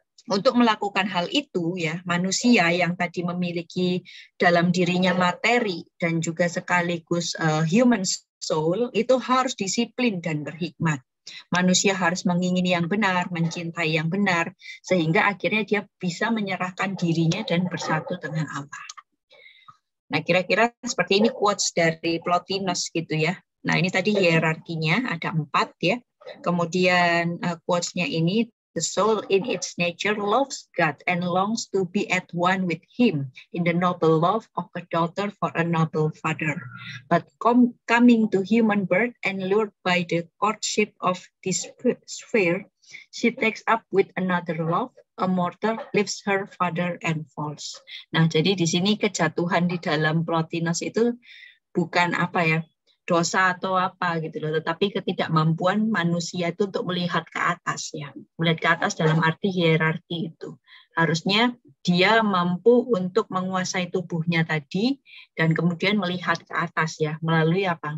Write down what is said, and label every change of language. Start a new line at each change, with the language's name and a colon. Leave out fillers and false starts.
Indonesian: Untuk melakukan hal itu ya, manusia yang tadi memiliki dalam dirinya materi dan juga sekaligus human soul itu harus disiplin dan berhikmat. Manusia harus mengingini yang benar, mencintai yang benar, sehingga akhirnya dia bisa menyerahkan dirinya dan bersatu dengan Allah. Nah, kira-kira seperti ini quotes dari Plotinus gitu ya. Nah, ini tadi hierarkinya ada 4 ya. Kemudian quotes-nya ini,
English: the soul in its nature loves God and longs to be at one with him in the noble love of a daughter for a noble father. But coming to human birth and lured by the courtship of this sphere, she takes up with another love, a mortal, leaves her father and falls.
Indonesian: Nah, jadi di sini kejatuhan di dalam Plotinus itu bukan apa ya, dosa atau apa gitu loh, tetapi ketidakmampuan manusia itu untuk melihat ke atas ya, melihat ke atas dalam arti hierarki itu. Harusnya dia mampu untuk menguasai tubuhnya tadi dan kemudian melihat ke atas ya, melalui apa?